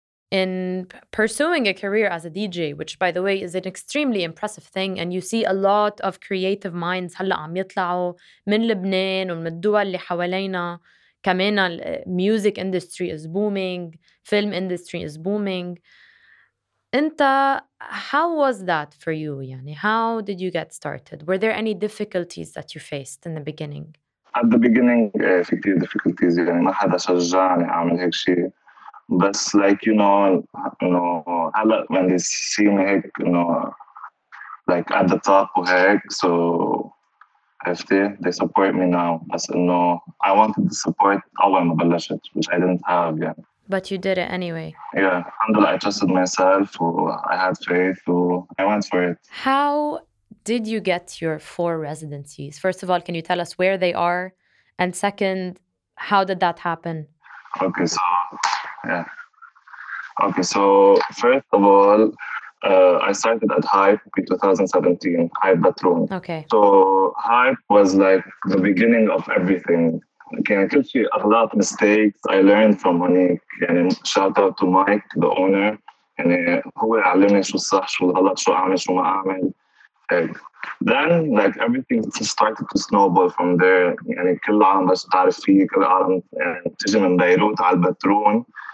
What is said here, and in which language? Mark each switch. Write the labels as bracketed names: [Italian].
[English] In pursuing a career as a DJ, which, by the way, is an extremely impressive thing, and you see a lot of creative minds [Arabic] هلا عم يطلعوا من لبنان ومن الدول اللي حوالينا. [English] كمان music industry is booming, film industry is booming. انت, how was that for you? يعني, how did you get started? Were there any difficulties that you faced in the beginning? At the beginning, في كتير difficulties. [Arabic] يعني ما حدا شجعني أعمل هيك شيء. [English] But like you know, when they see me, you know, like at the top, so they support me now. But you know, I wanted to support أول ما بلشت, which I didn't have yet. But you did it anyway. Yeah, alhamdulillah, I trusted myself, I had faith, I went for it. How did you get your 4 residencies? First of all, can you tell us where they are? And second, how did that happen? Okay, so. Yeah. Okay, so first of all, I started at Hype in 2017, Hype Batroon. Okay. So Hype was like the beginning of everything. Okay, I could see a lot of mistakes I learned from Monique. And shout out to Mike, the owner. [Arabic] And هو علمني شو صح, شو غلط, شو أعمل, شو ما أعمل. [English] Then like everything started to snowball from there. [Arabic] يعني كل عالم بس تعرف فيه, كل عالم تجي من بيروت على البترون.